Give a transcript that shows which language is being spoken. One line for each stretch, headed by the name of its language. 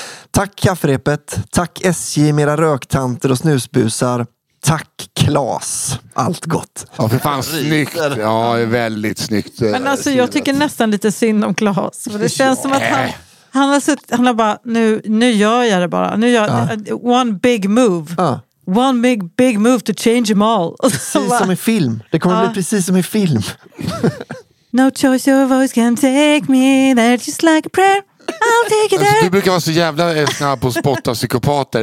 Swedish: Tack kafferepet, tack SJ, mera röktanter och snusbusar. Tack Claes, allt gott. Ja, för fan, snyggt. Ja, väldigt snyggt. Men alltså, jag tycker nästan lite synd om Claes. För det känns som att han har bara, nu gör jag det.
English: One big move.
Swedish: Ja.
English: One big, big move to change them all.
Swedish: Precis som i film. Det kommer bli precis som i film.
English: No choice, your voice can take me there, just like a prayer. I'll take it there.
Swedish: Alltså, du brukar vara så jävla snabb på att spotta psykopater.